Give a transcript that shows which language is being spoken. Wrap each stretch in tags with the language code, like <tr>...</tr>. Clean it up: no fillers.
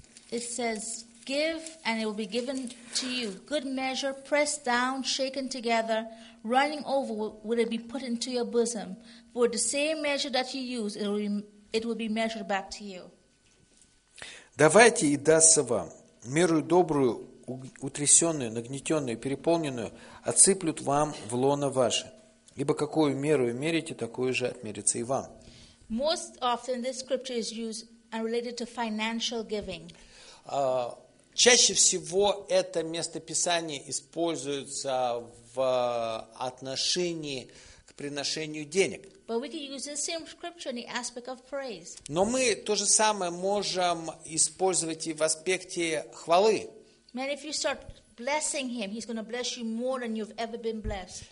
<en>It says, "Give, and it will be given to you. Good measure, pressed down, shaken together, running over, will it be put into your bosom. For the same measure that you use, it will be measured back to you."</en> <ru>Давайте и дастся вам меру добрую, утрясенную, нагнетенную, переполненную, отсыплют вам в лоно ваше. Ибо какую меру вы мерите, такую же отмерится и вам.</ru> <en>Most often this scripture is used and related to financial giving.</en> <ru>Чаще всего это местописание используется в отношении к приношению денег.</ru> <en>But we can use the same scripture in the aspect of praise.</en> <ru>Но мы то же самое можем использовать и в аспекте хвалы.</ru> <en>Man, if you start blessing him, he's going to bless you more than you've ever been blessed.</en>